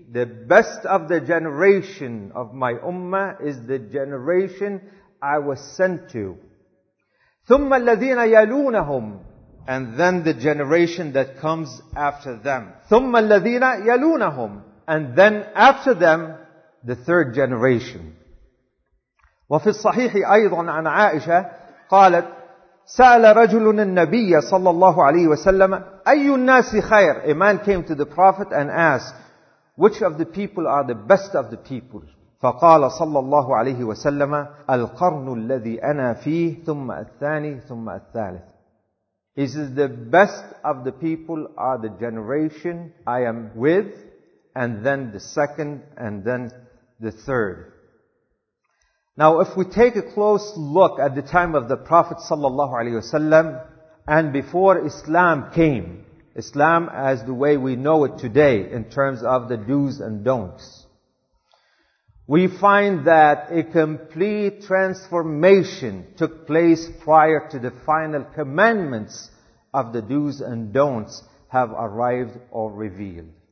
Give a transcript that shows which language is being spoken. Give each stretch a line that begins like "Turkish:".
English: The best of the generation of my ummah is the generation I was sent to.
Arabic: ثُمَّ الَّذِينَ يَلُونَهُمْ.
English: And then the generation that comes after them.
Arabic: ثُمَّ الَّذِينَ يَلُونَهُمْ.
English: And then after them, the third generation.
Arabic: وَفِي الصَّحِيحِ أَيْضًا عَنْ عَائِشَةٍ قَالَتْ سأل رجل النبي صلى الله عليه وسلم أي الناس خير.
English: A man came to the Prophet and asked, which of the people are the best of the people?
Arabic: فقال صلى الله عليه وسلم القرن الذي أنا فيه ثم الثاني ثم الثالث.
English: He says, the best of the people are the generation I am with, and then the second, and then the third. Now, if we take a close look at the time of the Prophet sallallahu alaihi wasallam and before Islam came, Islam as the way we know it today in terms of the do's and don'ts, we find that a complete transformation took place prior to the final commandments of the do's and don'ts have arrived or revealed.